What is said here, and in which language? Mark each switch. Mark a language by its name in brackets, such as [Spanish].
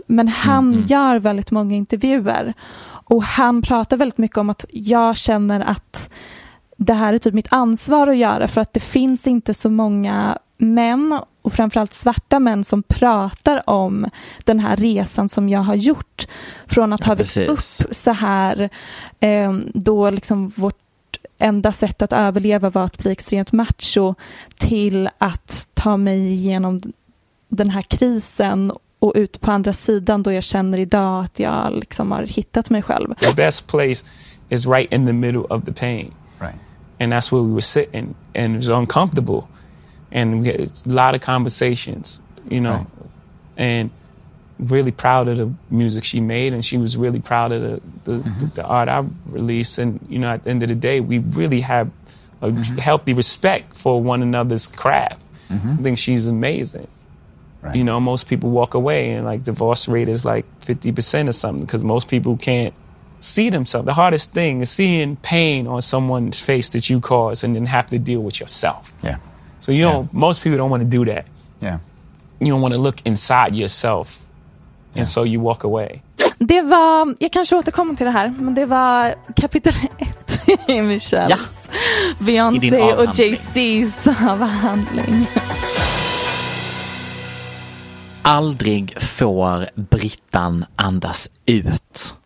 [Swedish] Men han gör väldigt många intervjuer, och han pratar väldigt mycket om att jag känner att det här är typ mitt ansvar att göra, för att det finns inte så många män, och framförallt svarta män, som pratar om den här resan som jag har gjort från att ha växt upp så här, då liksom vårt enda sätt att överleva var att bli extremt macho, till att ta mig igenom den här krisen och ut på andra sidan, då jag känner idag att jag liksom har hittat mig själv. [English] The best place is right in the middle of the pain. Right. And that's where we were sitting, and it was uncomfortable. And we had a lot of conversations, you know, right. And really proud of the music she made, and she was really proud of the art I released. And, you know, at the end of the day, we really have a healthy respect for one another's craft. I think she's amazing. Right. You know, most people walk away and like divorce rate is like 50% or something, because most people can't see themselves. The hardest thing is seeing pain on someone's face that you cause and then have to deal with yourself. Yeah. So, you know, most people don't want to do that. Yeah. You don't want to look inside yourself. Yeah. And so you walk away. [Swedish] Det var, jag kanske återkommer till det här, men det var kapitel 1 i Michelles. Ja. Beyoncé och JC's avhandling. Aldrig får Brittan andas ut.